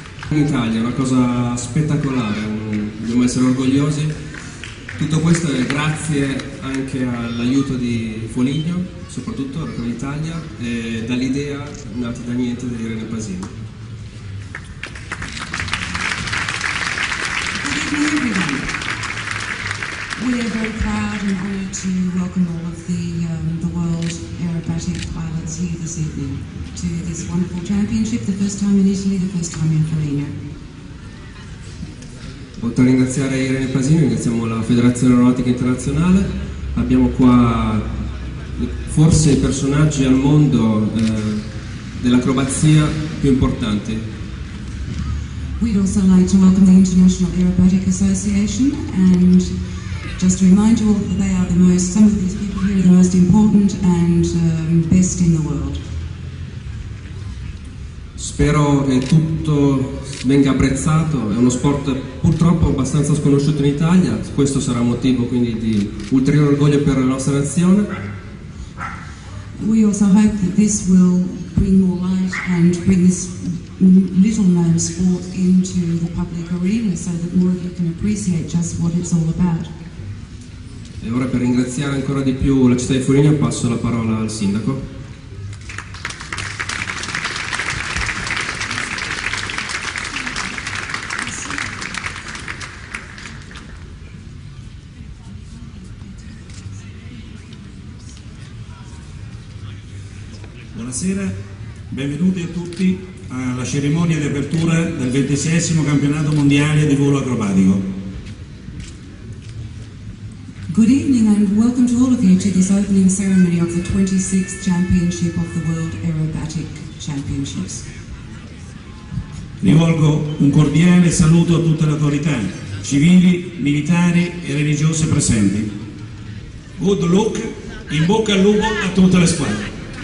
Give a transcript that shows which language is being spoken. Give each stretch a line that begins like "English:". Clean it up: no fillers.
Italian: In Italia è una cosa spettacolare, dobbiamo essere orgogliosi. Tutto questo è grazie anche all'aiuto di Foligno, soprattutto per l'Italia, e dall'idea nata da niente di Irene Pasini.
English: We are very proud and honored to welcome all of the world aerobatic pilots here this evening to this wonderful championship, the first time in Italy, the first time in Foligno.
Italian: Oltre a ringraziare Irene Pasini, ringraziamo la Federazione Aeronautica Internazionale. Abbiamo qua forse i personaggi al mondo dell'acrobazia più importanti.
English: We'd also like to welcome the International Aerobatic Association, and just to remind you all that they are the most, some of these people here are the most important and best in the world.
Italian: Spero che tutto venga apprezzato, è uno sport purtroppo abbastanza sconosciuto in Italia, questo sarà motivo quindi di ulteriore orgoglio per la nostra nazione.
English: We also hope that this will bring more light and bring this little known sport into the public arena so that more of you can appreciate just what it's all about.
Italian: E ora, per ringraziare ancora di più la città di Foligno, passo la parola al sindaco. Buonasera, benvenuti a tutti alla cerimonia di apertura del 26esimo campionato mondiale di volo acrobatico.
English: Good evening and welcome to all of you to this opening ceremony of the 26th Championship of the World Aerobatic Championships.
Italian: Rivolgo un cordiale saluto a tutte le autorità, civili, militari e religiose presenti.
English: Good luck,
Italian: in bocca al lupo a tutte le squadre.